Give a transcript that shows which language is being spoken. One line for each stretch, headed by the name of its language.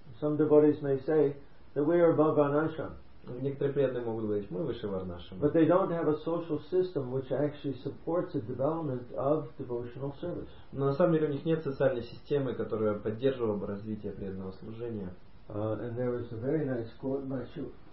English: Some devotees may say that we are above Varnashram.
Russian: Некоторые преданные могут говорить, мы выше Варнашрам.
English: But they don't have a social system which actually supports the development of devotional service.
Russian: Но на самом деле у них нет социальной системы, которая поддерживала бы развитие преданного служения.
English: And there was a very nice quote by Shu.